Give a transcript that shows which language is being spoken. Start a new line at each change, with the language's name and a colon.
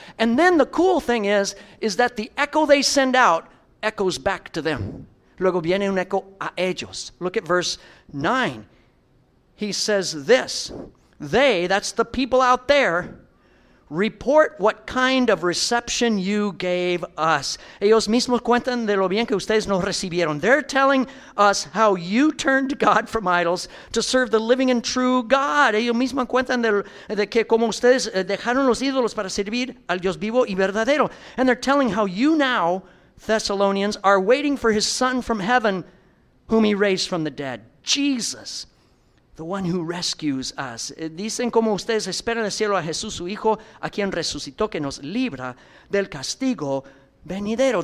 English: And then the cool thing is that the echo they send out echoes back to them.
Spanish: Luego viene un echo a ellos.
English: Look at verse 9. He says this. They, that's the people out there, report what kind of reception you gave us.
Spanish: Ellos mismos cuentan de lo bien que ustedes nos recibieron.
English: They're telling us how you turned God from idols to serve the living and true God.
Spanish: Ellos mismos cuentan de que como ustedes dejaron los ídolos para servir al Dios vivo y verdadero.
English: And they're telling how you now, Thessalonians, are waiting for his son from heaven, whom he raised from the dead, Jesus. The one who rescues us.
Spanish: Dicen como ustedes esperan el cielo a Jesús, su hijo, a quien resucitó, que nos libra del castigo venidero.